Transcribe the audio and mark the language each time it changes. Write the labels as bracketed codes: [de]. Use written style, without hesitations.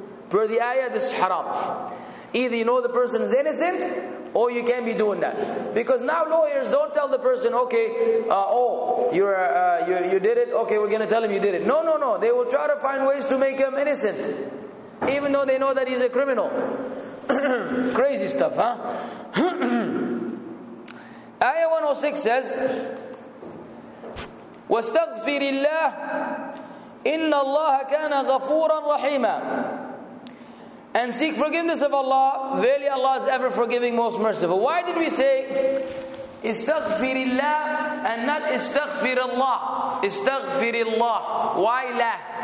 [en] Per the ayah, this is haram. Either you know the person is innocent or you can't be doing that. Because now lawyers don't tell the person, okay, you did it, okay, we're going to tell him you did it. No. They will try to find ways to make him innocent, even though they know that he's a criminal. Crazy stuff, huh? Ayah 106 says, [ar] وَاسْتَغْفِرِ اللَّهِ إِنَّ اللَّهَ كَانَ غَفُورًا رَحِيمًا. [en] And seek forgiveness of Allah. Verily Allah is ever forgiving, most merciful. Why did we say [ar] استغفِرِ اللَّهِ [en] and not استغفِرِ اللَّهِ? [ar] استغفِرِ اللَّهِ. [en] Why [ar] لا?